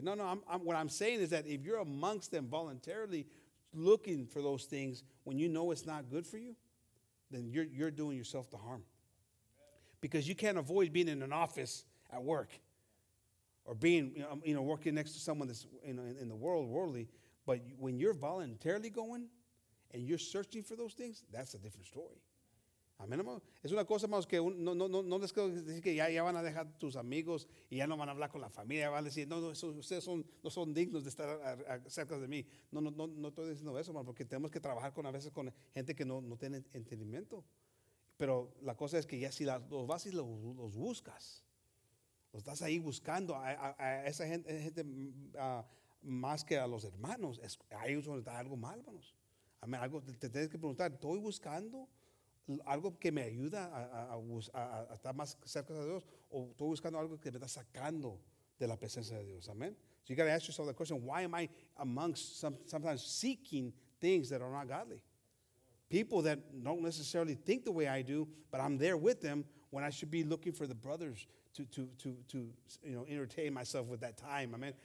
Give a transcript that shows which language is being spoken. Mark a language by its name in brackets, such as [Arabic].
[English] No, what I'm saying is that if you're amongst them voluntarily looking for those things when you know it's not good for you, then you're doing yourself the harm. Because you can't avoid being in an office at work or being, you know, working next to someone that's, you know, in the world, worldly. But when you're voluntarily going and you're searching for those things, that's a different story. [Spanish] Amén, hermano. Es una cosa, hermanos, que no les quiero decir que ya van a dejar tus amigos y ya no van a hablar con la familia, van a decir, no, ustedes no son dignos de estar cerca de mí. No estoy diciendo eso, hermano, porque tenemos que trabajar con a veces con gente que no tiene entendimiento. Pero la cosa es que ya si los vas y los buscas, los estás ahí buscando a esa gente más que a los hermanos, ahí es donde está algo mal, hermanos. Amén, algo te tienes que preguntar, ¿estoy buscando algo que me ayuda a estar más cerca de Dios, o estoy buscando algo que me está sacando de la presencia de Dios? [English] Amen. So you got to ask yourself the question, why am I amongst sometimes seeking things that are not godly? People that don't necessarily think the way I do, but I'm there with them when I should be looking for the brothers to entertain myself with that time. Amen.